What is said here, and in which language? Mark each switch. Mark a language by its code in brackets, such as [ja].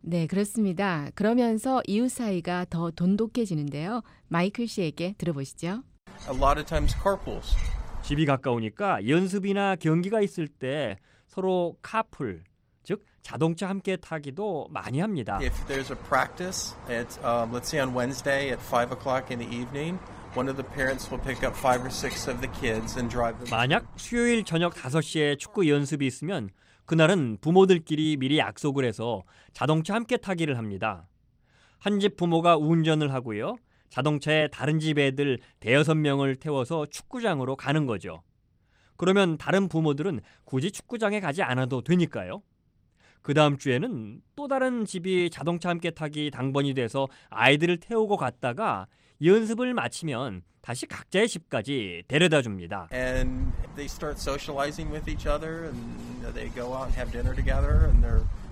[ko] 네, 그렇습니다. 그러면서 이웃 사이가 더 돈독해지는데요. 마이클 씨에게 들어보시죠. [en] A lot of times carpools. [ko] 집이 가까우니까 연습이나 경기가 있을 때 서로 카풀, 즉 자동차 함께 타기도 많이 합니다. [en] If there's a practice, let's say on Wednesday at 5 o'clock in the evening, one of the parents will pick up five or six of the kids and drive them. [ko] 만약 수요일 저녁 5시에 축구 연습이 있으면 그날은 부모들끼리 미리 약속을 해서 자동차 함께 타기를 합니다. 한 집 부모가 운전을 하고요. 자동차에 다른 집 애들 대여섯 명을 태워서 축구장으로 가는 거죠. 그러면 다른 부모들은 굳이 축구장에 가지 않아도 되니까요. 그 다음 주에는 또 다른 집이 자동차 함께 타기 당번이 돼서 아이들을 태우고 갔다가 연습을 마치면 다시 각자의 집까지 데려다 줍니다. [en] And they start socializing with each other and they go out and have dinner together and they're